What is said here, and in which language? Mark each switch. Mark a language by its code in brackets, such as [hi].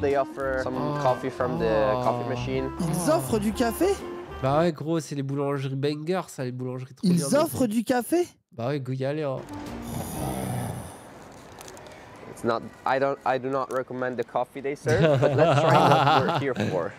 [en] They offer some coffee from the coffee machine. [fr] Ils offrent du café. Bah ouais, gros, c'est les boulangeries banger, ça, les boulangeries trop Ils offrent du café. Bah ouais, go y aller, hein. [en] It's not, I do not recommend the coffee they serve, but let's try what we're here for.